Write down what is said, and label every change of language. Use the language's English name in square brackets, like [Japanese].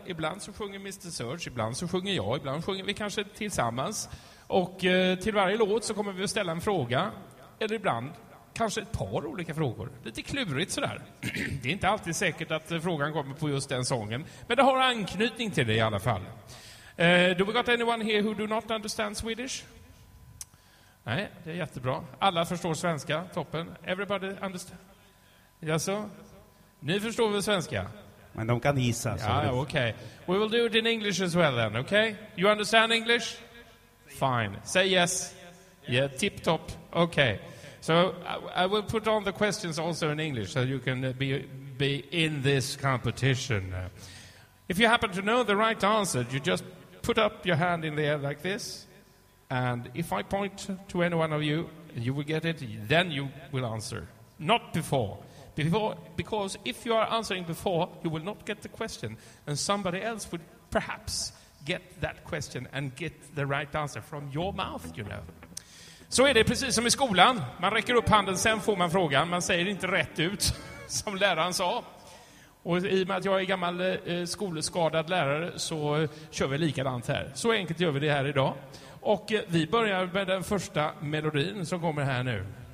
[Swedish] Ibland så sjunger Mr. Search, ibland så sjunger jag, ibland sjunger vi kanske tillsammans. Och till varje låt så kommer vi att ställa en fråga. Eller ibland kanske ett par olika frågor. Lite klurigt sådär. Det är inte alltid säkert att frågan kommer på just den sången. Men det har anknytning till det i alla fall. [English] Do we got anyone here who do not understand Swedish? [Swedish] Nej, det är jättebra. Alla förstår svenska, toppen. [English] Everybody understand? Yes, sir? [Swedish] Ni förstår väl svenska? Men de kan gissa. [English] Ja, okej. Okay. We will do it in English as well then, okay? You understand English? Fine. Say yes. Yeah, tip top. Okay. So I will put on the questions also in English so you can be in this competition. If you happen to know the right answer, you just put up your hand in the air like this. And if I point to any one of you, you will get it, then you will answer. Not before. Because if you are answering before, you will not get the question. And somebody else would perhaps get that question and get the right answer from your mouth, you know. [Swedish] Så är det precis som i skolan. Man räcker upp handen, sen får man frågan. Man säger inte rätt ut, som läraren sa. Och i och med att jag är gammal skoleskadad lärare så kör vi likadant här. Så enkelt gör vi det här idag. Och vi börjar med den första melodin som kommer här nu.